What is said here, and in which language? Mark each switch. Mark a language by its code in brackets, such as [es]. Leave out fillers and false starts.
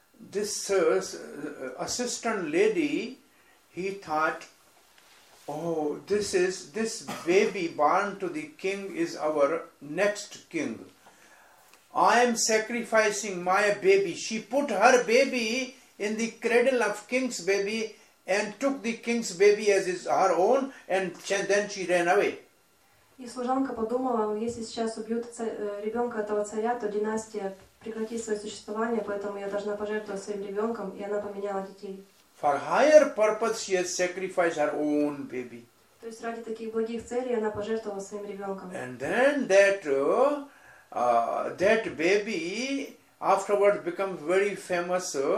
[en] This assistant lady, he thought, oh, this baby born to the king is our next king. I am sacrificing my baby. She put her baby in the cradle of king's baby. And took the king's baby as his her own, and then she ran away. [ru] И служанка подумала, если сейчас убьют ребенка этого царя, то династия прекратит свое существование, поэтому я должна пожертвовать своим ребенком, и она поменяла детей. [en] For higher purpose, she has sacrificed her own baby. [ru] То есть ради таких благих целей она пожертвовала своим ребенком. [en] And then that baby afterwards becomes very famous.